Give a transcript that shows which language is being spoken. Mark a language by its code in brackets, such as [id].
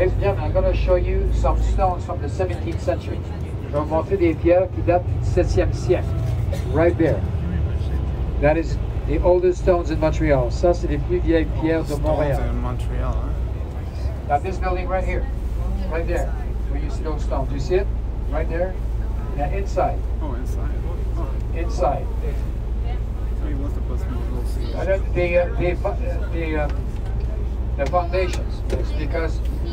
[fr] Eh bien, [en] I'm going to show you some stones from the 17th century. [fr] Je vais vous montrer des pierres qui datent du 17e siècle. [en] Right there. That is the oldest stones in Montreal. [fr] Ça, c'est les plus vieilles pierres de Montréal. [en] Stones in Montreal, huh? Now, this building right here, right there, where you see those stones. Do you see it? Right there? Now, inside. Oh, inside. Inside. The foundations.